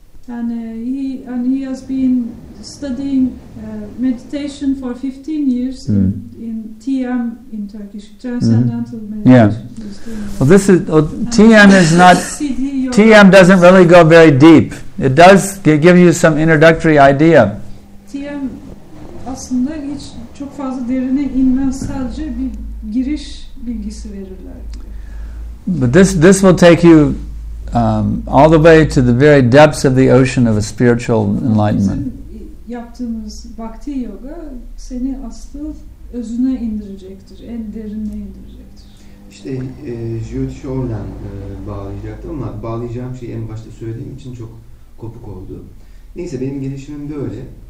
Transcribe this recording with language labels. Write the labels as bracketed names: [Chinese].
[English] And he has been studying meditation for 15 years in TM in Turkish, Transcendental Meditation. Yeah. Well, this is TM is not TM doesn't really go very deep. It does give you some introductory idea. [Turkish] TM aslında hiç çok fazla derine inmez, sadece bir giriş bilgisi verirler. [English] But this will take you all the way to the very depths of the ocean of a spiritual enlightenment. [Turkish] Yaptığımız bhakti yoga seni asıl özüne indirecektir, en derine indirecektir. İşte Jyotish oradan bağlayacaktım ama bağlayacağım şeyi en başta söylediğim için çok kopuk oldu. Neyse, benim gelişimim böyle.